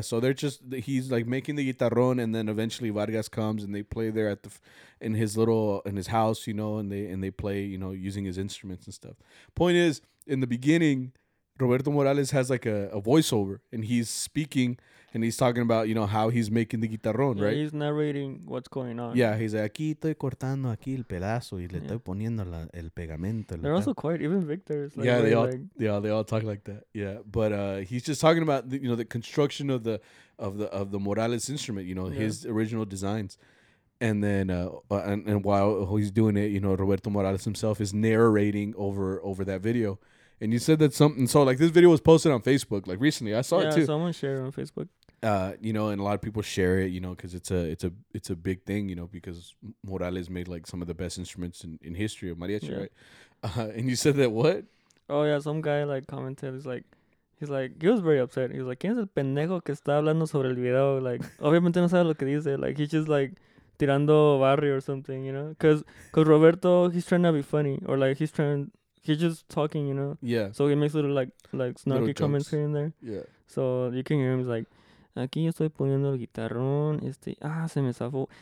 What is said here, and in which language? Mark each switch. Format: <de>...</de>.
<en>So they're just, he's like making the guitarrón, and then eventually Vargas comes and they play there at the in his house, you know, and they play, you know, using his instruments and stuff. Point is, in the beginning, Roberto Morales has like a voiceover, and he's speaking, and he's talking about, you know, how he's making the guitarrón, yeah, right? He's narrating what's going on. Yeah, he's like,</en> <es>aquí estoy cortando aquí el pedazo y le estoy poniendo la, el pegamento.</es> <en>They're also quiet, even Victor is like, yeah, they all talk like that. Yeah, but he's just talking about the, you know, the construction of the Morales instrument, you know, his original designs. And then and while he's doing it, you know, Roberto Morales himself is narrating over that video. And you said that something, so like this video was posted on Facebook, like recently. I saw it too. Yeah, someone shared it on Facebook. You know, and a lot of people share it, you know, because it's a big thing, you know, because Morales made like some of the best instruments in history of mariachi, right? And you said that what? Oh, yeah, some guy like commented, he's like, he was very upset. He was like,</en> <es>¿quién es el pendejo que está hablando sobre el video? Like, obviamente no sabe lo que dice.</es> <en>Like, he's just like</en> <es>tirando barrio</es> <en>or something, you know? Because Roberto, he's trying to be funny, or like he's trying. He's just talking, you know? Yeah. So he makes little, like snarky little comments here and there. Yeah. So you can hear him, he's like,</en> <es>aquí yo estoy poniendo el guitarrón, se me zafó.</es>